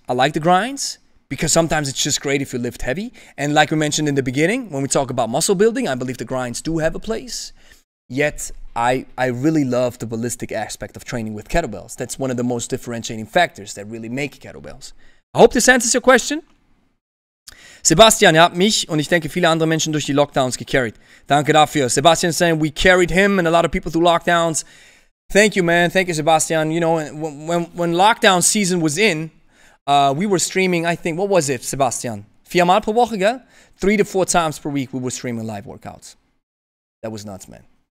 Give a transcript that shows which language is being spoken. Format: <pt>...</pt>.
<en>I like the grinds because sometimes it's just great if you lift heavy. And like we mentioned in the beginning, when we talk about muscle building, I believe the grinds do have a place. Yet, I really love the ballistic aspect of training with kettlebells. That's one of the most differentiating factors that really make kettlebells. I hope this answers your question.</en> <de>Sebastian, er hat mich und ich denke viele andere Menschen durch die Lockdowns gecarried. Danke dafür.</de> <en>Sebastian saying we carried him and a lot of people through lockdowns. Thank you, man. Thank you, Sebastian. You know, when lockdown season was in, we were streaming, I think, what was it, Sebastian?</en> <de>Viermal pro Woche, gell?</de> <en>3 to 4 times per week we were streaming live workouts. That was nuts, man.</en>